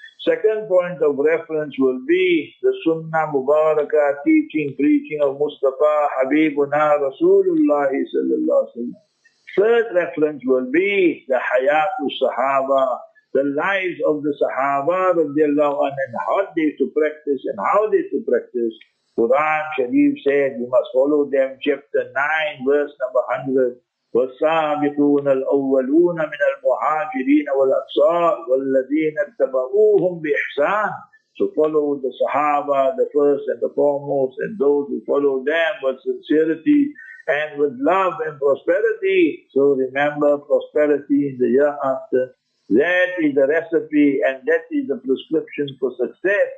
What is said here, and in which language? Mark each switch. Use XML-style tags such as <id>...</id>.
<en>Second point of reference will be the Sunnah Mubarakah, teaching, preaching of Mustafa, Habibuna, Rasulullah sallallahu alaihi wasallam. Third reference will be the Hayatu Sahaba, the lives of the Sahaba radiallahu anhu, and how they to practice and how they to practice. Quran Sharif said, you must follow them, chapter 9, verse number 100.</en> <ar>والسابقون الأولون من المهاجرين والأنصار والذين اتبعوهم بإحسان.</ar> <en>So follow the Sahaba, the first and the foremost, and those who follow them with sincerity and with love and prosperity. So remember prosperity in the year after. That is the recipe and that is the prescription for success.</en>